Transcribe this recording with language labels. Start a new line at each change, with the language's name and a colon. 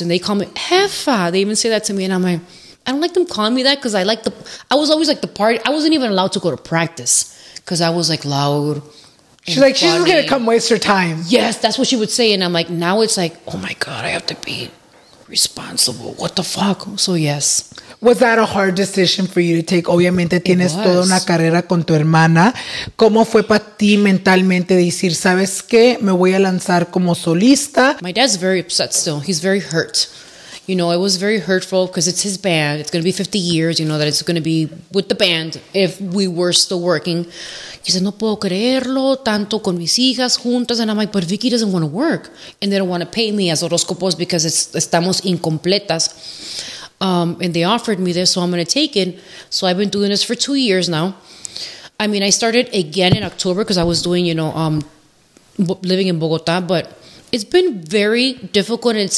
English: And they call me, Jefa. They even say that to me. And I'm like, I don't like them calling me that because I like the, I was always like the party. I wasn't even allowed to go to practice because I was like loud. She's like, funny. She's going to come waste her time. Yes, that's what she would say. And I'm like, now it's like, oh my God, I have to be responsible. What the fuck? So yes. Was that a hard decision for you to take?
Spanish: Obviamente tienes toda una carrera con tu hermana. ¿Cómo fue para ti mentalmente decir, sabes qué? Me voy a lanzar como solista.
English: My dad's very upset still. He's very hurt. You know, it was very hurtful because it's his band. It's going to be 50 years, you know, that it's going to be with the band if we were still working. He said,
Spanish: no puedo creerlo, tanto con mis hijas juntas.
English: And I'm like, but Vicky doesn't want to work. And they don't want to pay me as horoscopos because it's
Spanish: estamos incompletas.
English: And they offered me this, so I'm going to take it. So I've been doing this for 2 years now. I mean, I started again in October because I was doing, you know, living in Bogota, but it's been very difficult.